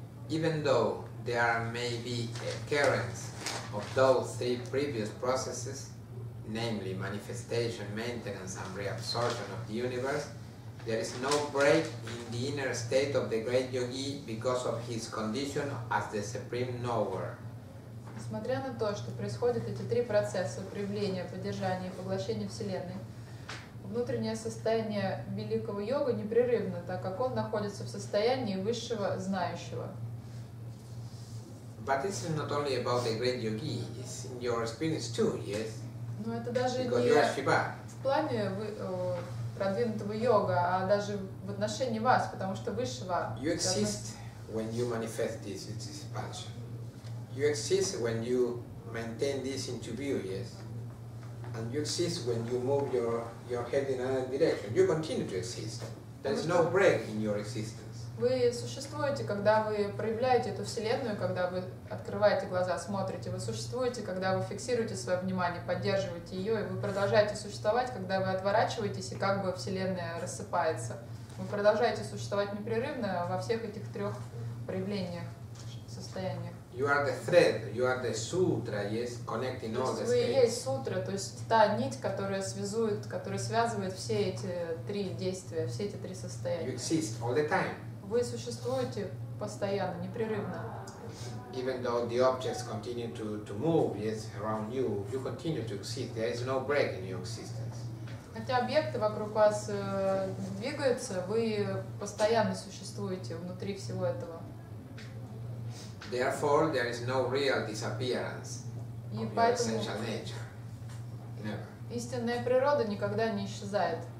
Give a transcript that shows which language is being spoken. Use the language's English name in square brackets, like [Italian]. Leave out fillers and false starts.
[English] Even though there may be occurrence of those three previous processes, namely manifestation, maintenance, and reabsorption of the universe, there is no break in the inner state of the great yogi because of his condition as the supreme knower. [Russian] Несмотря на то, что происходят эти три процесса проявления, поддержания и поглощения Вселенной, внутреннее состояние великого йога непрерывно, так как он находится в состоянии высшего знающего. [English] But this is not only about the great yogi, it's in your experience too, yes? [Russian] Но это даже [English] because [Russian] не в плане продвинутого йога, а даже в отношении вас, потому что высшего. [English] You exist when you manifest this expansion. You exist when you maintain this interview, yes? And you exist when you move your head in another direction. You continue to exist. There is no break in your existence. [Russian] Вы существуете, когда вы проявляете эту Вселенную, когда вы открываете глаза, смотрите. Вы существуете, когда вы фиксируете свое внимание, поддерживаете ее, и вы продолжаете существовать, когда вы отворачиваетесь, и как бы Вселенная рассыпается. Вы продолжаете существовать непрерывно во всех этих трех проявлениях, состояниях. [English] You are the thread, you are the sutra, yes, connecting all the states. [Russian] Вы есть сутра, то есть та нить, которая связует, которая связывает все эти три действия, все эти три состояния. [English] You exist all the time. [Russian] Вы существуете постоянно, непрерывно. [English] Even though the objects continue to move, yes, around you, you continue to exist. There is no break in your existence. [Russian] Хотя объекты вокруг вас двигаются, вы постоянно существуете внутри всего этого. [English] Therefore, there is no real disappearance of your essential nature. Never. [Russian] Истинная природа никогда не исчезает.